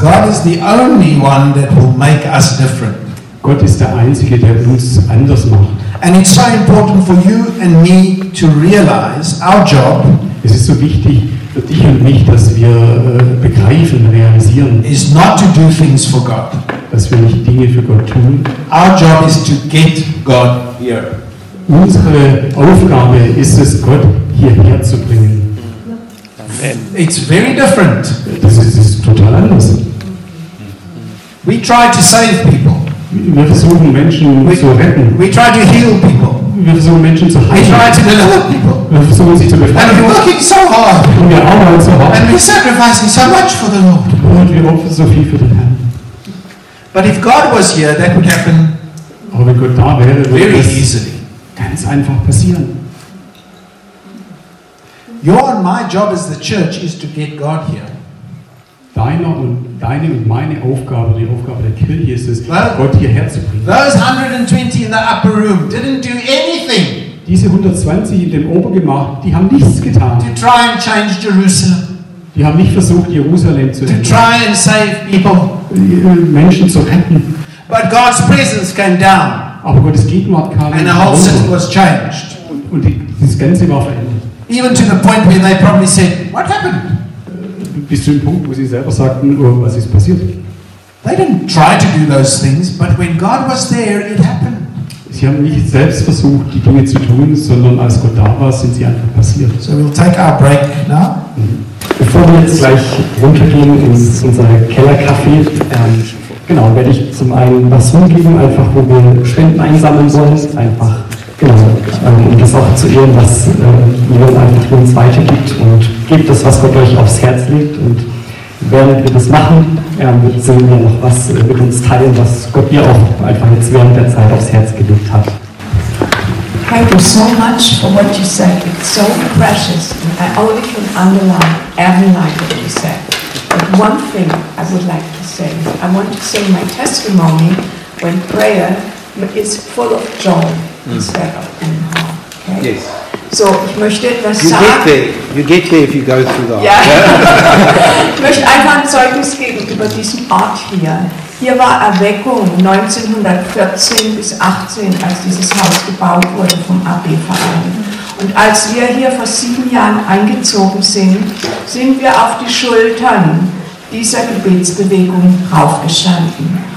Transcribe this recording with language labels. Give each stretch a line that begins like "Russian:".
English: God is the only one that will make us different.
German: Gott ist der Einzige, der uns anders macht.
English: And it's so important for you and me to realize our job.
German: Es ist so wichtig für dich und mich, dass wir begreifen, realisieren.
English: Is not to do things for God.
German: Dass wir nicht Dinge für Gott tun.
English: Our job is to get God here.
German: Unsere Aufgabe ist es, Gott hierher zu bringen.
English: It's very different.
German: Das ist total anders.
English: We try to save people.
German: Wir versuchen Menschen zu retten.
English: We try to heal people.
German: Wir versuchen Menschen zu heilen.
English: We try to deliver people.
German: Wir versuchen sie zu befreien.
English: And we're working so hard.
German: Und wir arbeiten so hart.
English: And we're sacrificing so much for the Lord.
German: Und wir opfern so viel für den Herrn.
English: But if God was here, that would happen.
German: Aber wenn Gott da wäre,
English: very easily.
German: Ganz einfach passieren.
English: Your and my job as the church is to get God here.
German: Deine und meine Aufgabe, die Aufgabe der Kirche ist es, Gott hierher zu bringen.
English: Those 120 in the upper room didn't do anything.
German: Diese 120 in dem Obergemach, die haben nichts getan.
English: To try and change Jerusalem.
German: Die haben nicht versucht, Jerusalem zu ändern.
English: To try and save people.
German: Menschen zu retten.
English: But God's presence came down.
German: Aber Gottes Gegenwart kam.
English: And the whole city was changed.
German: Und das Ganze war verändert.
English: Even to the point where they probably said, "What happened?"
German: Bis zu dem Punkt, wo sie selber sagten, was ist passiert?
English: They didn't try to do those things, but when God was there, it happened.
German: Sie haben nicht selbst versucht, die Dinge zu tun, sondern als Gott da war, sind sie einfach passiert.
English: So we'll take our break now.
German: Bevor wir jetzt gleich runtergehen ins unsere Kellercafé, genau, werde ich zum einen was rumgeben, einfach wo wir Spenden einsammeln sollen, einfach, genau, um das auch zu ehren, was jemand einfach für uns weitergibt und gebt das, was Gott euch aufs Herz legt. Und während wir das machen, sehen wir noch was mit uns teilen, was Gott dir auch einfach jetzt während der Zeit aufs Herz gelegt hat.
English: Thank you so much for what you said. It's so precious. And I only can underline every line that you said. But one thing I would like to say, I want to say my testimony when prayer is full of joy instead of anger. Okay? Yes.
German: So, ich möchte etwas you sagen.
English: You get there if you go through that. Yeah.
German: Ich möchte einfach ein Zeugnis geben über diesen Ort hier. Hier war Erweckung 1914 bis 18, als dieses Haus gebaut wurde vom AB-Verein. Und als wir hier vor 7 Jahren eingezogen sind, sind wir auf die Schultern dieser Gebetsbewegung raufgestanden.